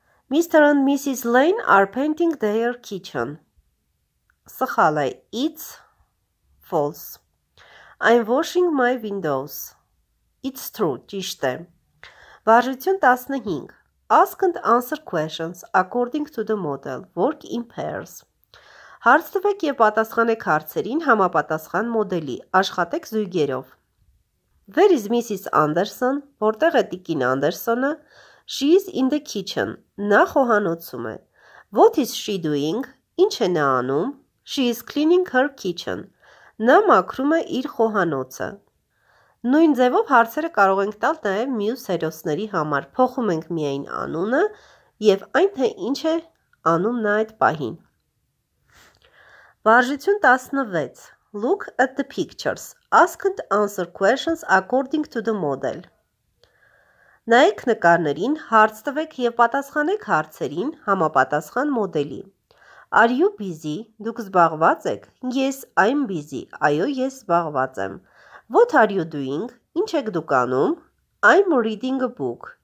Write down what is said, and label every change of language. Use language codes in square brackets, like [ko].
[en] Mr. and Mrs. Lane are painting their kitchen. [hy] Սխալ է. [en] It's false. I'm washing my windows. It's true. [hy] Ճիշտ է. Վարժություն 15. [en] Ask and answer questions according to the model. Work in pairs. [hy] Հարց տվեք եւ պատասխանեք հարցերին համապատասխան մոդելի։ Աշխատեք զույգերով։ [en] Where is Mrs. Anderson? [hy] Որտեղ է տիկին Անդերսոնը? [en] She is in the kitchen. [hy] Նա խոհանոցում է. [en] What is she doing? [hy] Ինչ է նա անում? [en] She is cleaning her kitchen. [hy] Նա մաքրում է իր խոհանոցը։ Նույն ձևով հարցերը կարող ենք տալ նաև մյուս հերոսների համար։ Փոխում ենք միայն անունը եւ այն թե ինչ է անում նա այդ պահին։ Վարժություն 16. [en] Look at the pictures. Ask and answer questions according to the model. [hy] Նայեք նկարներին, հարց տվեք եւ պատասխանեք հարցերին համապատասխան մոդելի։ [en] Are you busy? [hy] Դուք զբաղված եք։ [en] Yes, I'm busy. [hy] Այո, ես զբաղված եմ։ [en] What are you doing? [hy] Ինչ եք դուք անում? [en] I'm reading a book.